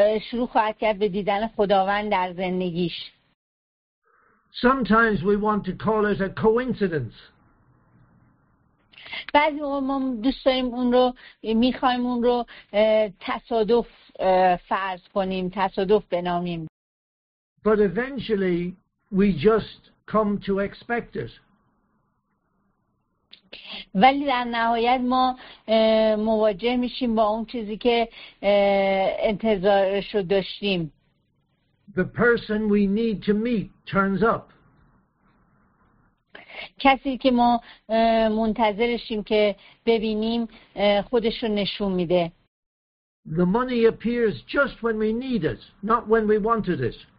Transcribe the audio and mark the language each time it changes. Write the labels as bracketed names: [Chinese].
[Persian] شروع خواهد کرد به دیدن خداوند در زندگیش. [English] Sometimes we want to call it a coincidence. [Persian] بعضی ما دوست داریم اون رو میخوایم اون رو تصادف فرض کنیم، تصادف بنامیم. [English] But eventually we just come to expect it. [Persian] ولی در نهایت ما مواجه میشیم با اون چیزی که انتظارش رو داشتیم. [English] The person we need to meet turns up. [Persian] کسی که ما منتظرشیم که ببینیم خودش رو نشون میده. [English] The money appears just when we need it, not when we wanted it.